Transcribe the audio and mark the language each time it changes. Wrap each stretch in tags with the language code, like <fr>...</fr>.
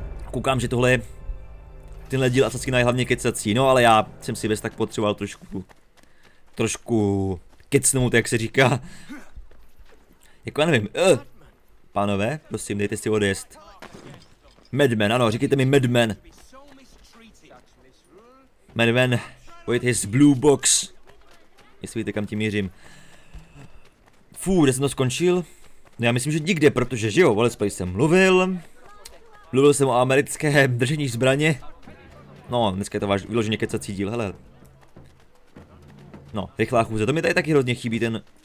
<cs>Koukám, že tohle je tenhle díl Assassina je hlavně kecací, no ale já jsem si bez tak potřeboval trošku kecnout, jak se říká. Jako já nevím, pánové, prosím, dejte si odjezd. Madman, ano, říkejte mi Madman.</cs> <en>Madman, with his blue box.</en> <cs>Jestli víte, kam tím mířím. Fú, kde jsem to skončil? No já myslím, že nikde, protože že jo, o Let's Play jsem mluvil. Mluvil jsem o americké držení zbraně. No, dneska je to váš vyloženě kecací díl, hele. No, rychlá chůze, to mi tady taky hrozně chybí ten...</cs>